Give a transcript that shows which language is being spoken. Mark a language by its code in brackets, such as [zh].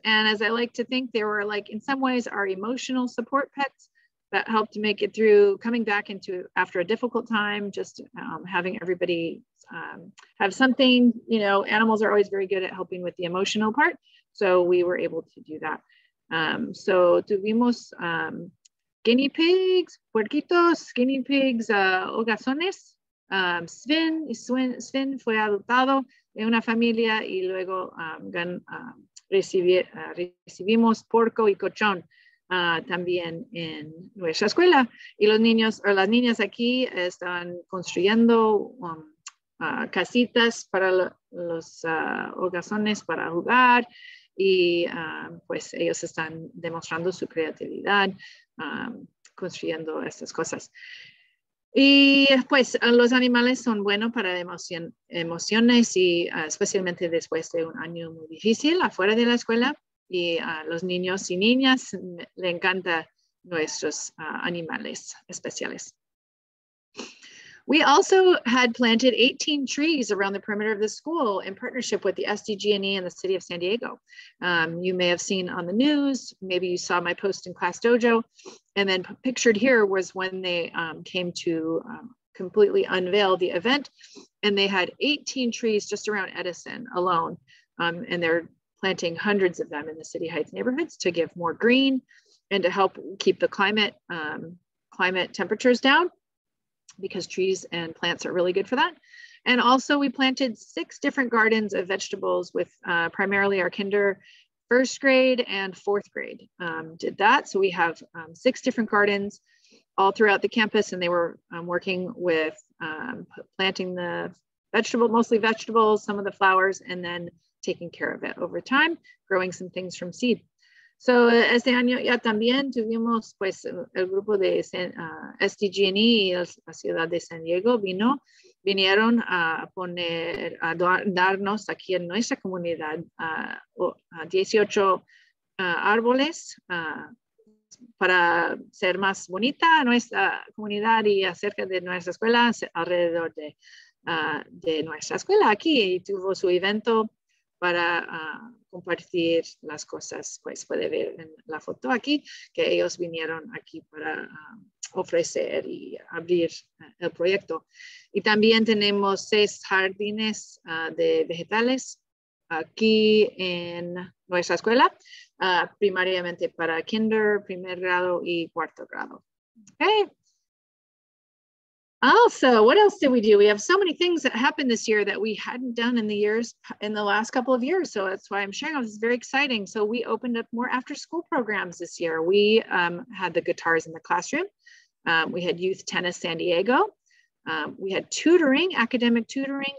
[en] And as I like to think, they were like, in some ways, our emotional support pets that helped make it through coming back into after a difficult time, just having everybody have something, you know, animals are always very good at helping with the emotional part. So we were able to do that. [es] So tuvimos guinea pigs, puerquitos, guinea pigs, hogazones, Sven fue adoptado de una familia y luego recibimos porco y cochón. También en nuestra escuela. Y los niños o las niñas aquí están construyendo casitas para los hogazones para jugar y pues ellos están demostrando su creatividad construyendo estas cosas. Y pues los animales son buenos para emociones y especialmente después de un año muy difícil afuera de la escuela. Y a los niños y niñas le encanta nuestros animales especiales. [en] We also had planted 18 trees around the perimeter of the school in partnership with the SDG&E and the City of San Diego. You may have seen on the news, maybe you saw my post in Class Dojo, and then pictured here was when they came to completely unveil the event, and they had 18 trees just around Edison alone, and they're planting hundreds of them in the City Heights neighborhoods to give more green and to help keep the climate temperatures down, because trees and plants are really good for that. And also we planted 6 different gardens of vegetables with primarily our kinder first grade and fourth grade did that. So we have 6 different gardens all throughout the campus, and they were working with planting the vegetable, mostly vegetables, some of the flowers, and then taking care of it over time, growing some things from seed. [es] So este año ya también tuvimos pues el grupo de SDG&E y la ciudad de San Diego vinieron a darnos aquí en nuestra comunidad 18 árboles para ser más bonita nuestra comunidad y acerca de nuestra escuela, alrededor de nuestra escuela aquí, y tuvo su evento para compartir las cosas, pues puede ver en la foto aquí, que ellos vinieron aquí para ofrecer y abrir el proyecto. Y también tenemos 6 jardines de vegetales aquí en nuestra escuela, primariamente para kinder, primer grado y cuarto grado. Okay. [en] Also, what else did we do? We have so many things that happened this year that we hadn't done in the last couple of years. So that's why I'm sharing. This is very exciting. So we opened up more after school programs this year. We had the guitars in the classroom. We had Youth Tennis San Diego. We had tutoring, academic tutoring.